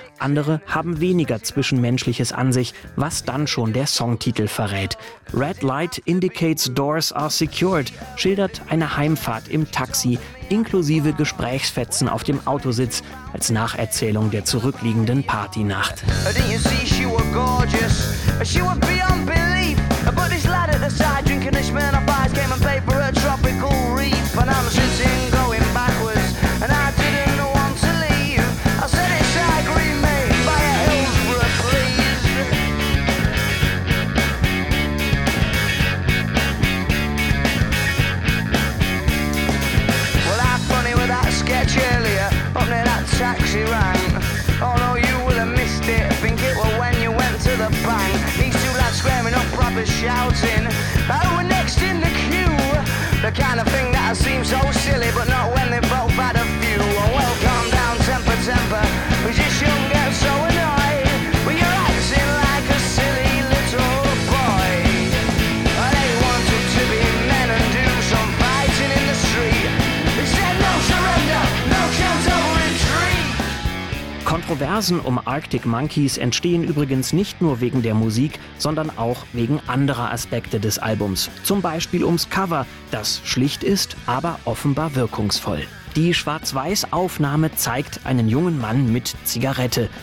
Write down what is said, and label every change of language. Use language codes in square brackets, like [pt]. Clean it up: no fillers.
[de] Andere haben weniger Zwischenmenschliches an sich, was dann schon der Songtitel verrät. Red Light Indicates Doors Are Secured schildert eine Heimfahrt im Taxi, inklusive Gesprächsfetzen auf dem Autositz, als Nacherzählung der zurückliegenden Partynacht. [en] Didn't you see she were gorgeous? She was beyond belief. But this lad at the side drinking a Smirnoff Ice came and paid for a tropical reef. And I'm sitting going backwards and I didn't want to leave. I said it's a green mate, buy a Hillsborough please. Well, how funny was that sketch earlier up near that taxi rank? Oh no, you will have missed it, think it was when you went to the bank. Screaming up, proper shouting, oh, we're next in the queue. The kind of thing that seems so silly, but not when they both had a few. Oh, well, calm down, temper, temper, we just shouldn't get so annoyed. But you're acting like a silly little boy. They wanted to be men and do some fighting in the street. They said no surrender, no chance of retreat. [de] Kontroversen um Arctic Monkeys entstehen übrigens nicht nur wegen der Musik, sondern auch wegen anderer Aspekte des Albums. Zum Beispiel ums Cover, das schlicht ist, aber offenbar wirkungsvoll. Die Schwarz-Weiß-Aufnahme zeigt einen jungen Mann mit Zigarette.